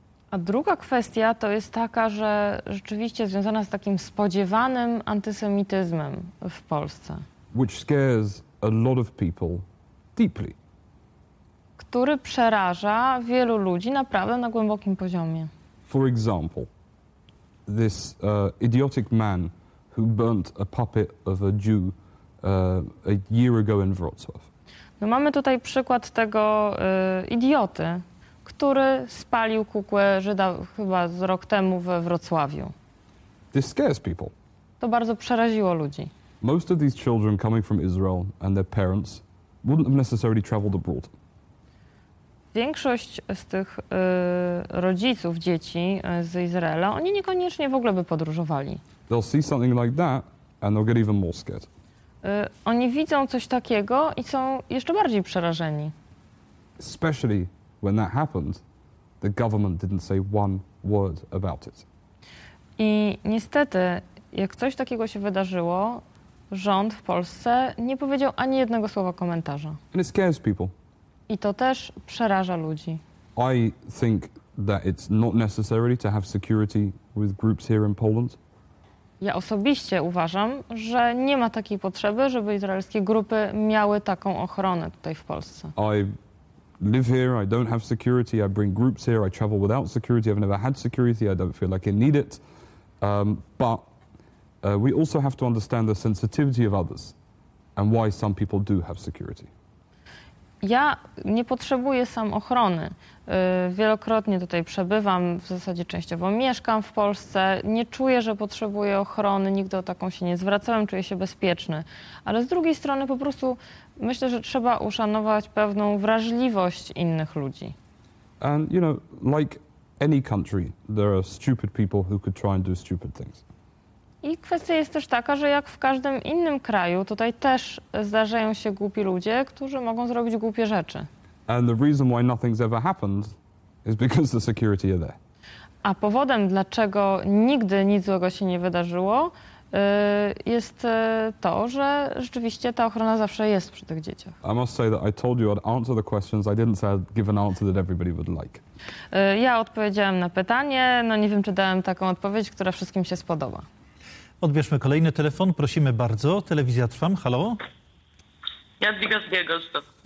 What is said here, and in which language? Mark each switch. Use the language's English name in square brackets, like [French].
[Polish] A druga kwestia to jest taka, że rzeczywiście związana z takim spodziewanym antysemityzmem w Polsce. [English] Which scares a lot of people deeply. [Polish] Który przeraża wielu ludzi naprawdę na głębokim poziomie. [English] For example, this idiotic man who burnt a puppet of a Jew a year ago in Wrocław. [Polish] No mamy tutaj przykład tego idioty, który spalił kukłę Żyda chyba z rok temu we Wrocławiu. [English] This scares people. [Polish] To bardzo przeraziło ludzi. [English] Most of these children coming from Israel and their parents wouldn't have necessarily traveled abroad. [Polish] Większość z tych rodziców dzieci z Izraela, oni niekoniecznie w ogóle by podróżowali. [English] They'll see something like that and they'll get even more scared. [Polish] Oni widzą coś takiego i są jeszcze bardziej przerażeni. [English] Especially when that happened, the government didn't say one word about it. [Polish] I niestety, jak coś takiego się wydarzyło, rząd w Polsce nie powiedział ani jednego słowa komentarza. [English] And it scares people. [Polish] I to też przeraża ludzi. [English] I think that it's not necessary to have security with groups here in Poland. [Polish] Ja osobiście uważam, że nie ma takiej potrzeby, żeby izraelskie grupy miały taką ochronę tutaj w Polsce. [English] I live here, I don't have security, I bring groups here, I travel without security, I've never had security, I don't feel like I need it. But we also have to understand the sensitivity of others and why some people do have security. [Polish] Ja nie potrzebuję sam ochrony. Wielokrotnie tutaj przebywam, w zasadzie częściowo mieszkam w Polsce. Nie czuję, że potrzebuję ochrony, nigdy o taką się nie zwracałem, czuję się bezpieczny. Ale z drugiej strony po prostu myślę, że trzeba uszanować pewną wrażliwość innych ludzi. [English] And you know, like any country, there are stupid people who could try and do stupid things. [Polish] I kwestia jest też taka, że jak w każdym innym kraju, tutaj też zdarzają się głupi ludzie, którzy mogą zrobić głupie rzeczy. [English] And the reason why nothing's ever happened is because the security are there. [Polish] A powodem, dlaczego nigdy nic złego się nie wydarzyło, jest to, że rzeczywiście ta ochrona zawsze jest przy tych dzieciach. [English] I must say that I told you I'd answer the questions. I didn't say I'd give an answer that everybody would like. [Polish] Ja odpowiedziałem na pytanie, no nie wiem, czy dałem taką odpowiedź, która wszystkim się spodoba. Odbierzmy kolejny telefon. Prosimy bardzo. Telewizja Trwam. Halo? Jadwiga z Białegostoku.